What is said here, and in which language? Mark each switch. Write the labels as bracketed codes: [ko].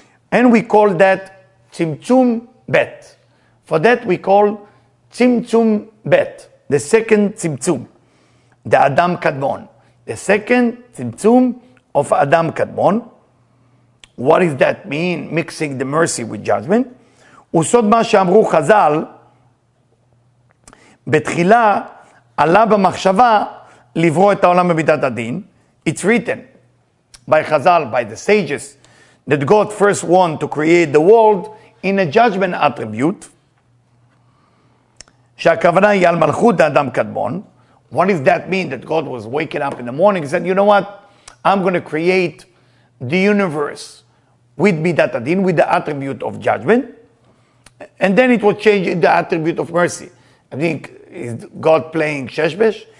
[en] And we call that tzimtzum bet. For that we call tzimtzum bet, the second tzimtzum, the Adam Kadmon. The second tzimtzum of Adam Kadmon. What does that mean, mixing the mercy with judgment? [he] Usod ma she'amru chazal, בתחילה עלה במחשבה לברוא את העולם במידת הדין. [en] It's written by Chazal, by the sages, that God first wanted to create the world in a judgment attribute. [he] שהכוונה היא על מלכות האדם קדמון. [en] What does that mean, that God was waking up in the morning and said, you know what, I'm going to create the universe with midat adin, with the attribute of judgment. And then it was changed in the attribute of mercy. I think, is God playing sheshbesh?